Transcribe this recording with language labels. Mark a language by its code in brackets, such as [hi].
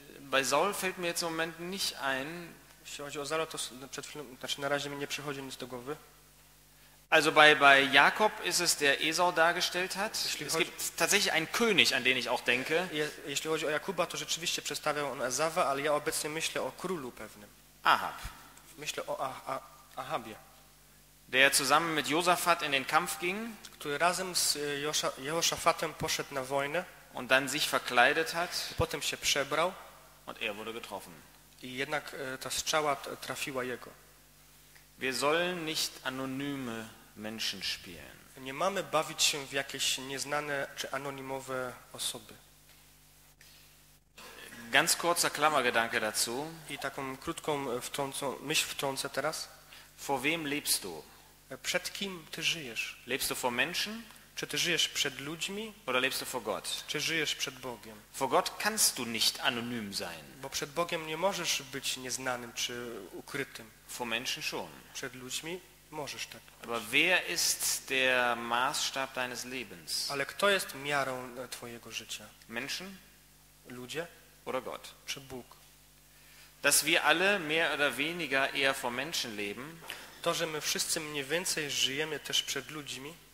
[de] Bei Saul fällt mir jetzt im Moment nicht ein. [pl] Jeśli chodzi o Saula, to przed chwilą, znaczy na razie mi nie przychodzi nic do głowy. [de] Also bei Jakob ist es, der Esau dargestellt hat. Es gibt tatsächlich einen König, an den ich auch denke. [pl] Jeśli chodzi o Jakuba, to rzeczywiście przedstawiał on Ezawa, ale ja obecnie myślę o królu pewnym. [de] Ahab. [pl] Myślę o Ahabie. [de] Der zusammen mit Josaphat in den Kampf ging, [pl] który razem z Jehoszafatem poszedł na wojnę, [de] und dann sich verkleidet hat, [pl] potem się przebrał, [de] und er wurde getroffen. [pl] I jednak ta strzała trafiła jego. [de] Wir sollen nicht anonyme Menschen spielen. [pl] Nie mamy bawić się w jakieś nieznane czy anonimowe osoby. [de] Ganz kurzer Klammergedanke dazu. [pl] I taką krótką myśl wtrącę teraz. [de] Vor wem lebst du? [pl] Przed kim ty żyjesz? [de] Lebst du vor Menschen? [pl] Czy ty żyjesz przed ludźmi? [de] Oder lebst du vor Gott? [pl] Czy żyjesz przed Bogiem? [de] Vor Gott kannst du nicht anonym sein. [pl] Bo przed Bogiem nie możesz być nieznanym czy ukrytym. [de] Vor Menschen schon. [pl] Przed ludźmi możesz tak. [de] Aber wer ist der Maßstab deines Lebens? [pl] Ale kto jest miarą twojego życia? [de] Menschen? [pl] Ludzie? [de] Oder Gott? [pl] Czy Bóg? [de] Dass wir alle mehr oder weniger eher vor Menschen leben. [pl] To, że my wszyscy mniej więcej żyjemy też przed ludźmi.